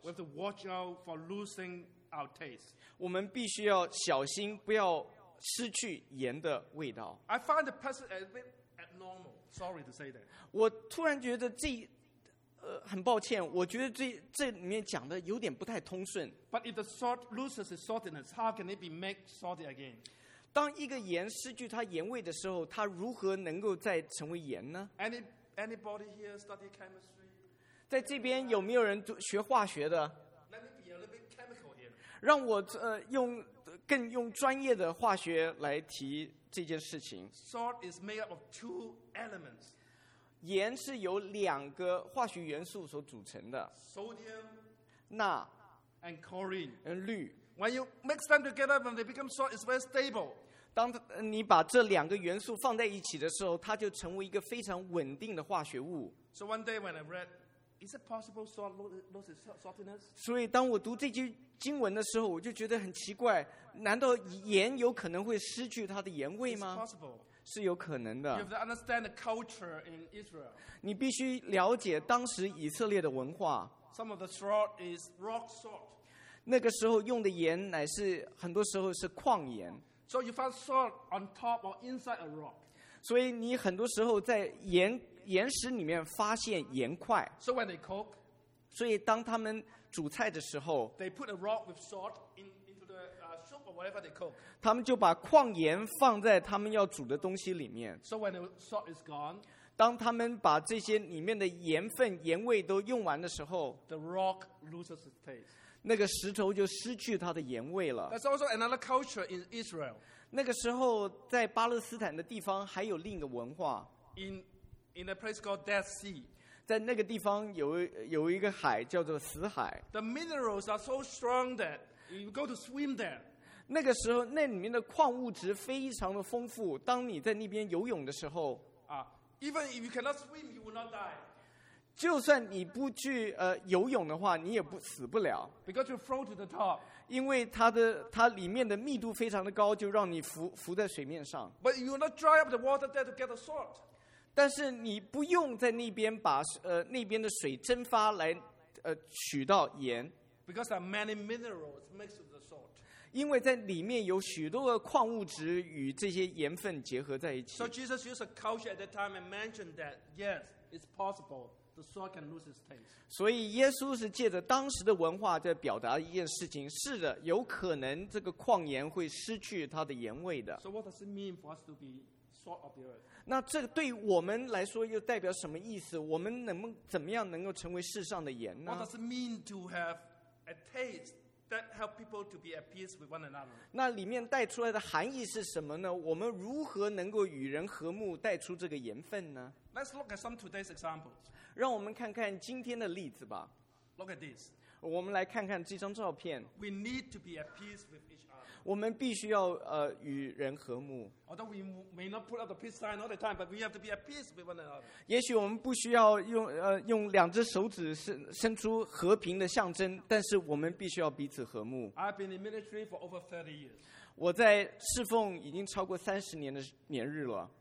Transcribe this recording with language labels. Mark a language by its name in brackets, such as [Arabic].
[English] We have to watch out for losing our taste。 [Chinese] 我们必须要小心，不要失去盐的味道。 [English] I find the person a bit abnormal. Sorry to say that。 [Chinese] 我突然觉得这，很抱歉，我觉得这里面讲的有点不太通顺。 [English] But if the salt loses its saltiness, how can it be made salty again？ [Chinese] 当一个盐失去它盐味的时候，它如何能够再成为盐呢 [English] ？Anybody here study chemistry？ [Chinese] 在这边有没有人学化学的 [English] ？Let me be a little bit chemical here。 [Chinese] 让我用专业的化学来提这件事情。 [English] Salt is made up of two elements。 [Chinese] 盐是由两个化学元素所组成的 [English] ：sodium、 [Chinese] 钠 [English] ，and chlorine， [Chinese] 氯。 [English] When you mix them together, when they become salt, it's very stable. [Chinese] 当你把这两个元素放在一起的时候，它就成为一个非常稳定的化学物。 [English] So one day when I read, is it possible salt loses its saltiness? [Chinese] 所以当我读这句经文的时候，我就觉得很奇怪，难道盐有可能会失去它的盐味吗？ [English] It's possible. [Chinese] 是有可能的。 [English] You have to understand the culture in Israel. [Chinese] 你必须了解当时以色列的文化。 [English] Some of the salt is rock salt. [Chinese] 那个时候用的盐乃是很多时候是矿盐 [English] So you found salt on top or inside a rock. [Chinese] 所以你很多时候在岩石里面发现盐块 [English] So when they cook, [Chinese] 所以当他们煮菜的时候 [English] they put a rock with salt into the soup or whatever they cook. [Chinese] 他们就把矿盐放在他们要煮的东西里面 [English] So when the salt is gone, [Chinese] 当他们把这些里面的盐分盐味都用完的时候 [English] the rock loses its taste. [Chinese] 那个石头就失去它的盐味了。 [English] There's also another culture in Israel. [Chinese] 那个时候在巴勒斯坦的地方还有另一个文化。 [English] In a place called Dead Sea. [Chinese] 在那个地方 有一个海叫做死海。 [English] The minerals are so strong that you go to swim there. [Chinese] 那个时候那里面的矿物质非常的丰富，当你在那边游泳的时候 [English] Even if you cannot swim, you will not die. [Chinese] 就算你不去游泳的话，你也不死不了。 [English] Because you float to the top. [Chinese] 因为它里面的密度非常的高，就让你浮在水面上。 [English] But you will not dry up the water there to get the salt. [Chinese] 但是你不用在那边把那边的水蒸发来取到盐。 [English] Because there are many minerals mixed with the salt. [Chinese] 因为在里面有许多的矿物质与这些盐分结合在一起。 [English] So Jesus used a culture at that time and mentioned that yes, it's possible the salt can lose its taste. [Chinese] 所以耶稣是借着当时的文化在表达一件事情，是的，有可能这个矿盐会失去它的盐味的。 [English] So what does it mean for us to be salt of the earth? [Chinese] 那这对我们来说又代表什么意思？我们怎么样能够成为世上的盐呢？ [English] What does it mean to have a taste? That help people to be at peace with one another. [Chinese] 那里面带出来的含义是什么呢？我们如何能够与人和睦，带出这个盐分呢？ [English] Let's look at some today's examples. [Chinese] 让我们看看今天的例子吧。 [English] Look at this. [Chinese] 我们来看看这张照片。 [English] We need to be at peace with each other. [Chinese] 我们必须要与人和睦。 [English] Although we may not put up the peace sign all the time, but we have to be at peace with one another. [Chinese] 也许我们不需要用两只手指伸出和平的象征，但是我们必须要彼此和睦。 [English] I've been in ministry for over 30 years. [Chinese] 我在侍奉已经超过三十年的年日了。